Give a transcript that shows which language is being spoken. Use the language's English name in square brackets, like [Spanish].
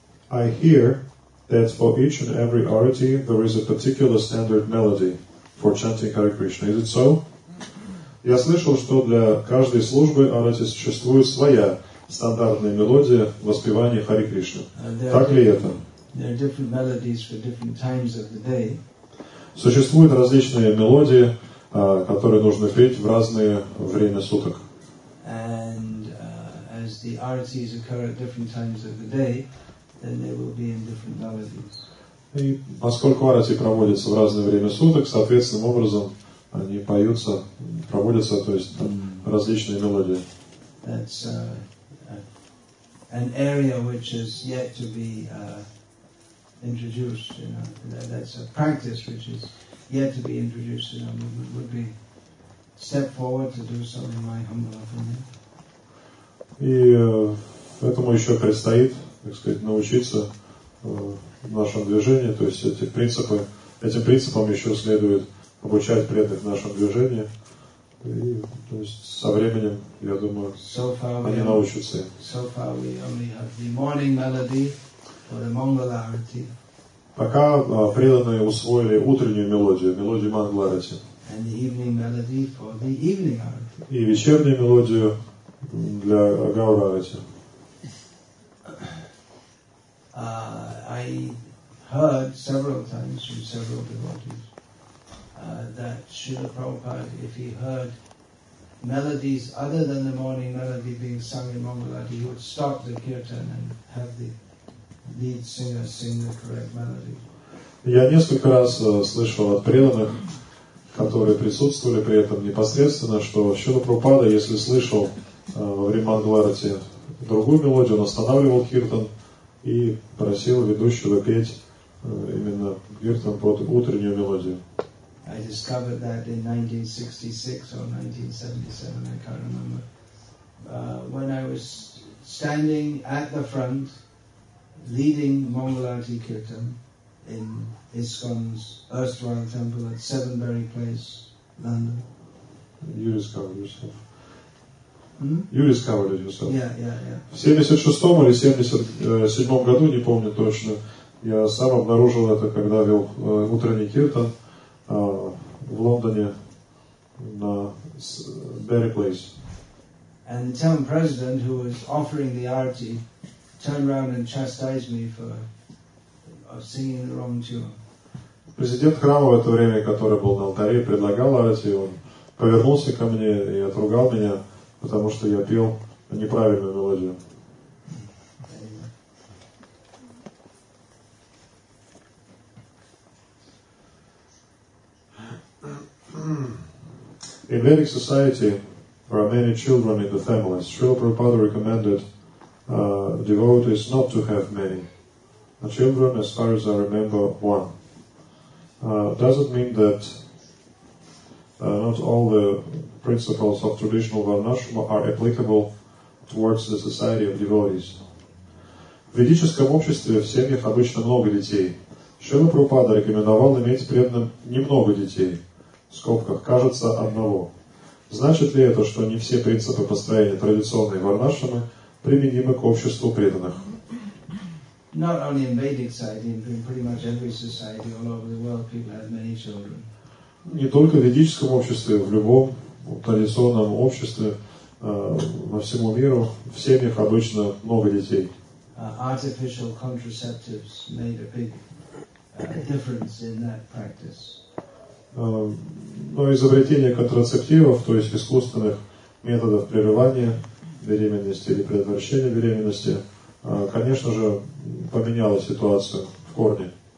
[English] I hear that for each and every arati there is a particular standard melody for chanting Hare Krishna. Is it so? [Russian] Я слышал, что для каждой службы арати существует своя стандартная мелодия воспевания Хари Кришны. Так ли это? [English] There are different melodies for different times of the day. [Russian] Существуют различные мелодии, которые нужно петь в разное время суток. [English] And as the arties occur at different times of the day, then they will be in different melodies. [Russian] И поскольку арати проводятся в разное время суток, соответственным образом они поются, проводятся, то есть там различные мелодии. [English] That's an area which is yet to be introduced, you know. That's a practice which is yet to be introduced, you know. It would be step forward to do so in my humble opinion. [Russian] И этому еще предстоит, так сказать, научиться в нашем движении, то есть эти принципы, этим принципам еще следует обучать преданных в нашем движении. И, то есть, со временем, я думаю, они научатся. [English] So far we only have the morning melody for the Mangal Arati. [Russian] Пока преданные усвоили утреннюю мелодию, мелодию Mangal Arati. [English] And the evening melody for the evening Arati. [Russian] И вечернюю мелодию для Gaur Arati. [English] I heard several times from several devotees that Srila Prabhupada, if he heard melodies other than the morning melody being sung in Mangal Arati, he would stop the kirtan and have the lead singer sing the correct melody. [Russian] Я несколько раз слышал от преданных, которые присутствовали при этом непосредственно, что Шрила Прабхупада, если слышал во время Mangal Arati другую мелодию, он останавливал киртан и просил ведущего петь именно киртан под утреннюю мелодию. [English] I discovered that in 1966 or 1977, I can't remember, when I was standing at the front, leading Mangal Arati Kirtan in ISKCON's erstwhile temple at Sevenbury Place, London. You discovered yourself. You discovered it yourself. Yeah. [Russian] В 76-м или 77-м году, не помню точно, я сам обнаружил это, когда вел утренний киртан в Лондоне на Berry Place. [English] And the town president who was offering the arati turned around and chastised me for singing the wrong tune. [Russian] Президент храма в это время, который был на алтаре, предлагал арати, он повернулся ко мне и отругал меня, потому что я пел неправильную мелодию. [English] In Vedic society, there are many children in the family. Srila Prabhupada recommended devotees not to have many. The children, as far as I remember, one. Does it mean that not all the principles of traditional Varnashrama are applicable towards the society of devotees? [Russian] В ведическом обществе в семьях обычно много детей. Srila Prabhupada рекомендовал иметь преданным немного детей. В скобках, кажется, одного. Значит ли это, что не все принципы построения традиционной варнашрамы применимы к обществу преданных? [English] Not only in Vedic society, in pretty much every society all over the world, people have many children. [Russian] Не только в ведическом обществе, в любом традиционном обществе во всему миру в семьях обычно много детей. [English] Artificial contraceptives made a big difference in that practice. [Russian] Но изобретение контрацептивов, то есть искусственных методов прерывания беременности или предотвращения беременности, конечно же, поменяло ситуацию в корне.